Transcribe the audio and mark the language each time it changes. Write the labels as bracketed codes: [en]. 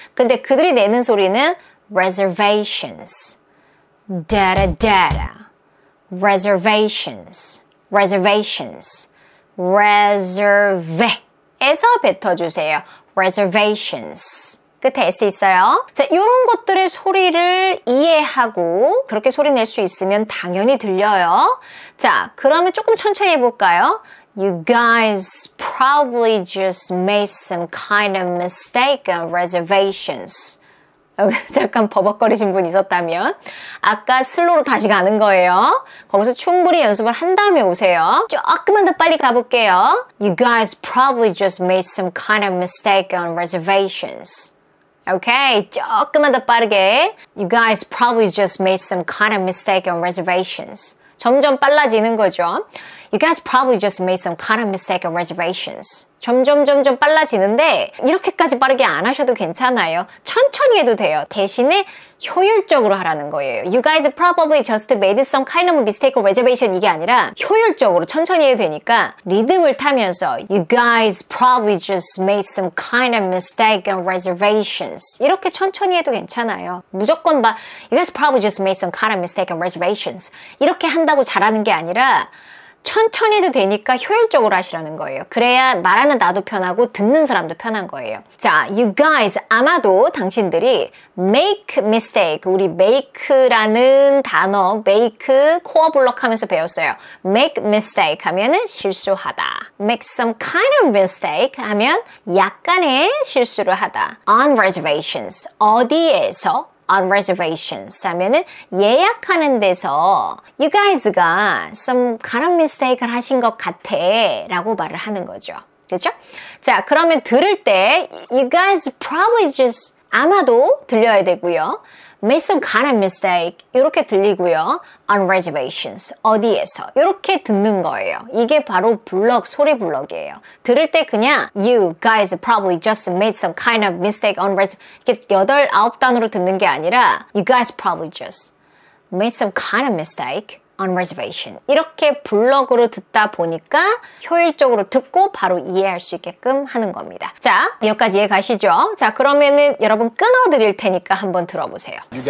[ko] 근데 그들이 내는 소리는 reservations, data, data, reservations, reserve에서 뱉어주세요. reservations. 끝에 S 있어요. 자, 이런 것들의 소리를 이해하고 그렇게 소리 낼 수 있으면 당연히 들려요. 자, 그러면 조금 천천히 해볼까요? [en] You guys probably just made some kind of mistake on reservations. [ko] 잠깐 버벅거리신 분 있었다면 아까 슬로로 다시 가는 거예요. 거기서 충분히 연습을 한 다음에 오세요. 조금만 더 빨리 가볼게요. [en] You guys probably just made some kind of mistake on reservations. [ko] Okay, 조금만 더 빠르게. [en] You guys probably just made some kind of mistake on reservations. [ko] 점점 빨라지는 거죠. [en] You guys probably just made some kind of mistake on reservations. [ko] 점점 빨라지는데 이렇게까지 빠르게 안 하셔도 괜찮아요. 천천히 해도 돼요. 대신에 효율적으로 하라는 거예요. [en] You guys probably just made some kind of mistake on reservation [ko] 이게 아니라 효율적으로 천천히 해도 되니까 리듬을 타면서 [en] You guys probably just made some kind of mistake on reservations. [ko] 이렇게 천천히 해도 괜찮아요. 무조건 막 [en] You guys probably just made some kind of mistake on reservations. [ko] 이렇게 한다고 잘하는 게 아니라 천천히 해도 되니까 효율적으로 하시라는 거예요. 그래야 말하는 나도 편하고 듣는 사람도 편한 거예요. 자, you guys 아마도 당신들이 make mistake, 우리 make라는 단어 make 코어 블록 하면서 배웠어요. make mistake 하면은 실수하다. make some kind of mistake 하면 약간의 실수를 하다. on reservations 어디에서 on reservations 하면은 예약하는 데서 you guys가 [en] some kind of mistake [ko] 를 하신 것 같아 라고 말을 하는 거죠. 그죠? 자, 그러면 들을 때 [en] you guys probably just [ko] 아마도 들려야 되고요. [en] made some kind of mistake [ko] 이렇게 들리고요. on reservations 어디에서 이렇게 듣는 거예요. 이게 바로 블럭 소리 블럭이에요. 들을 때 그냥 [en] you guys probably just made some kind of mistake on reservations [ko] 이게 8, 9단으로 듣는 게 아니라 [en] you guys probably just made some kind of mistake on reservation [ko] 이렇게 블럭으로 듣다 보니까 효율적으로 듣고 바로 이해할 수 있게끔 하는 겁니다. 자, 여기까지 이해 가시죠? 자, 그러면은 여러분 끊어 드릴 테니까 한번 들어보세요.